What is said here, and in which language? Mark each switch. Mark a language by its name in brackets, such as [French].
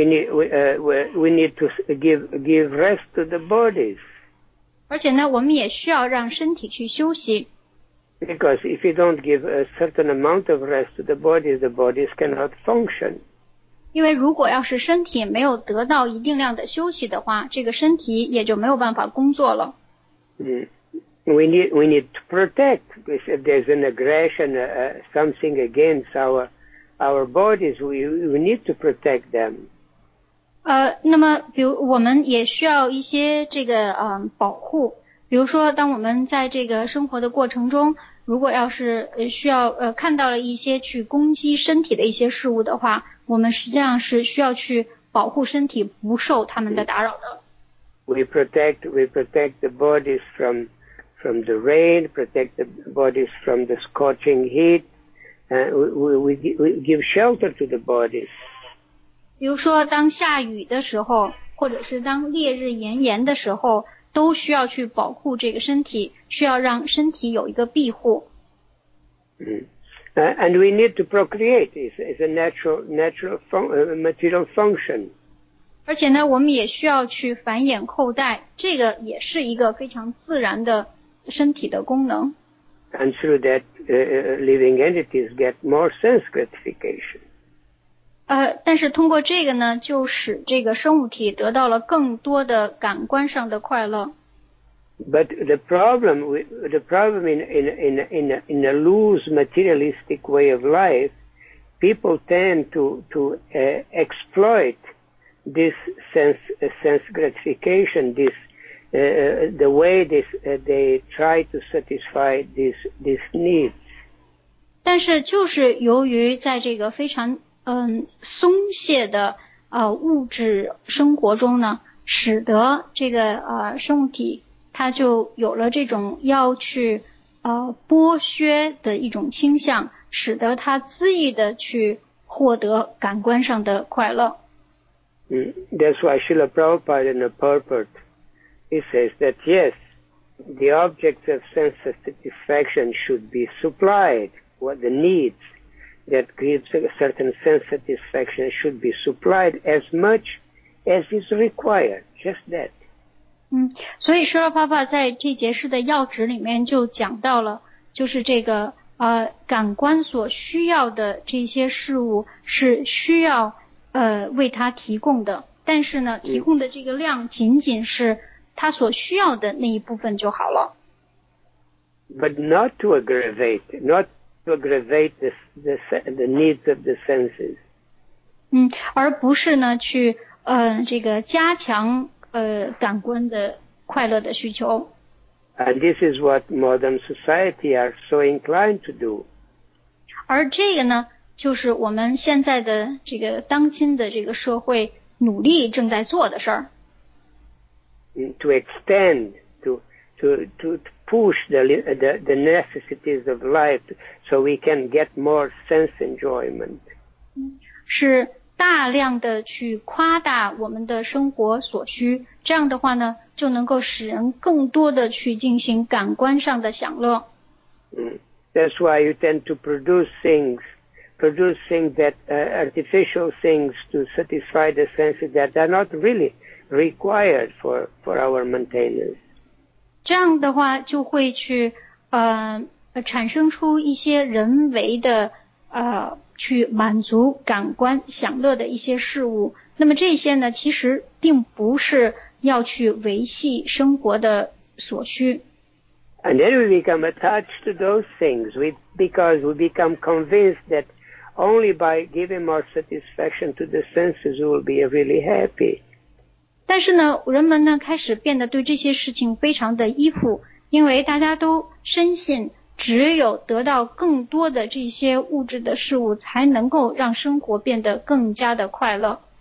[English] We need to give rest to the bodies. [Chinese] 而且呢我们也需要让身体去休息。 [English] Because if you don't give a certain amount of rest to the bodies cannot function. [Chinese] 因为如果要是身体没有得到一定量的休息的话，这个身体也就没有办法工作了。 [English] We need to protect. If there's an aggression, something against our bodies, we need to protect them. [Chinese] 那么比如我们也需要一些这个保护。比如说当我们在这个生活的过程中，如果要是需要看到了一些去攻击身体的一些事物的话，我们实际上是需要去保护身体不受他们的打扰的。 [English] We protect the bodies from the rain, protect the bodies from the scorching heat, and we give shelter to the bodies. [Chinese] 比如说当下雨的时候，或者是当烈日炎炎的时候，都需要去保护这个身体，需要让身体有一个庇护。 [English] And we need to procreate. It's a natural material function. [Chinese] 而且呢，我们也需要去繁衍后代，这个也是一个非常自然的身体的功能。 [English] And through that, living entities get more sense gratification. [Chinese] 但是通过这个呢，就使这个生物体得到了更多的感官上的快乐。 [English] But the problem in a loose materialistic way of life, people tend to exploit this sense gratification, the way they try to satisfy these needs. [Chinese] 但是就是由于在这个非常松懈的物质生活中呢，使得这个生物体它就有了这种要去剥削的一种倾向，使得它恣意的去获得感官上的快乐。 [English] That's why Srila Prabhupada in the purport he says that yes, the objects of sense satisfaction should be supplied, what the needs. That gives a certain sense satisfaction should be supplied as much as is required. Just that. [Chinese] 所以舍勒帕帕在这节诗的要旨里面就讲到了，就是这个感官所需要的这些事物是需要为他提供的，但是呢，提供的这个量仅仅是他所需要的那一部分就好了。 [English] But not to aggravate, not to aggravate the needs of the senses. [Chinese] 而不是呢去这个加强感官的快乐的需求。 [English] And this is what modern society are so inclined to do. [Chinese] 而这个呢就是我们现在的这个当今的这个社会努力正在做的事儿。 [English] To extend to push the necessities of life so we can get more sense enjoyment. [Chinese] 是大量的去夸大我们的生活所需，这样的话呢就能够使人更多的去进行感官上的享乐。 [English] That's why you tend to produce things that artificial things to satisfy the senses that are not really required for our maintenance. [Chinese] 这样的话就会去产生出一些人为的去满足感官享乐的一些事物。那么这些呢其实并不是要去维系生活的所需。 [English] And then we become attached to those things because we become convinced that only by giving more satisfaction to the senses we will be really happy. [Chinese] 但是呢，人们呢开始变得对这些事情非常的依附，因为大家都深信只有得到更多的这些物质的事物才能够让生活变得更加的快乐。